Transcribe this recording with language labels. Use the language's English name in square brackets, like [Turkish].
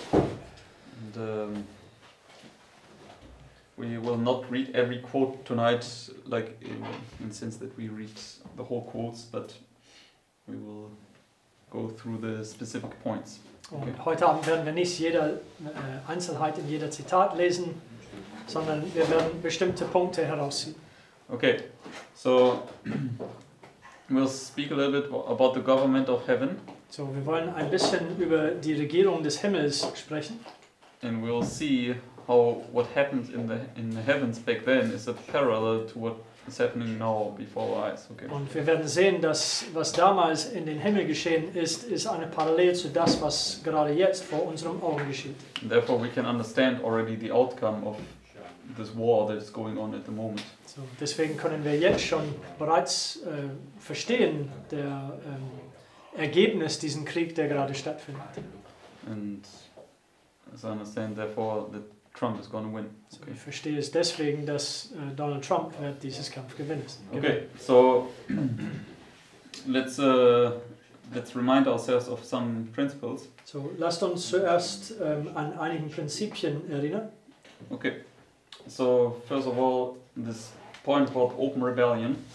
[English] And we will not read every quote tonight, like in the sense that we read the whole quotes, but we will go through the specific points. Okay. [German] Und heute Abend werden wir nicht jede Einzelheit in jeder Zitat lesen, sondern wir werden bestimmte Punkte herausziehen. [English] Okay, so we'll speak a little bit about the government of heaven. [German] So wir wollen ein bisschen über die Regierung des Himmels sprechen. [English] And we'll see how what happened in the heavens back then is a parallel to what is happening now before our eyes. Okay. [German] Und wir werden sehen, dass was damals in den Himmel geschehen ist, ist eine Parallel zu das, was gerade jetzt vor unseren Augen geschieht. [English] And therefore we can understand already the outcome of this war that is going on at the moment. [German] So, deswegen können wir jetzt schon bereits verstehen der Ergebnis diesen Krieg, der gerade stattfindet. [English] And as I understand, therefore, that Trump is going to win. [German] So, okay. Ich verstehe es deswegen, dass Donald Trump wird dieses Kampf gewinnen. [English] Okay, so let's remind ourselves of some principles. [German] So lasst uns zuerst an einigen Prinzipien erinnern. [English] Okay. So first of all, this point about open rebellion.